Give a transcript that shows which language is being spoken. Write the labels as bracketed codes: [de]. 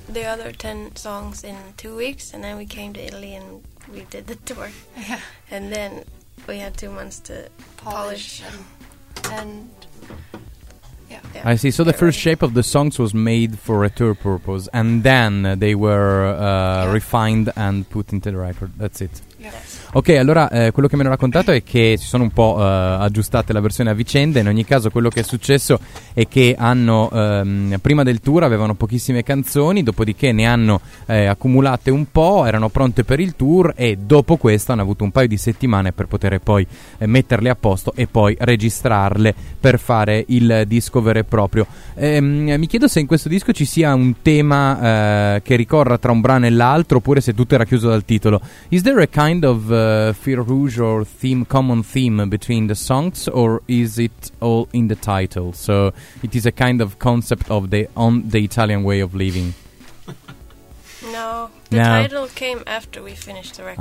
[en] The other 10 songs in 2 weeks, and then we came to Italy and we did the tour. Yeah. And then we had 2 months to polish and I see. So the first shape of the songs was made for a tour purpose, and then they were refined and put into the record. That's it. [it] Ok, allora quello che mi hanno raccontato è che si sono un po' aggiustate la versione a vicenda. In ogni caso, quello che è successo è che hanno prima del tour avevano pochissime canzoni, dopodiché ne hanno accumulate un po', erano pronte per il tour, e dopo questo hanno avuto un paio di settimane per poter poi metterle a posto e poi registrarle per fare il disco vero e proprio. Mi chiedo se in questo disco ci sia un tema che ricorra tra un brano e l'altro, oppure se tutto era chiuso dal titolo. [en] Is there a kind of fil rouge or theme, common theme between the songs, or is it all in the title? So it is a kind of concept of the Italian way of living. No, the title came after we finished the record.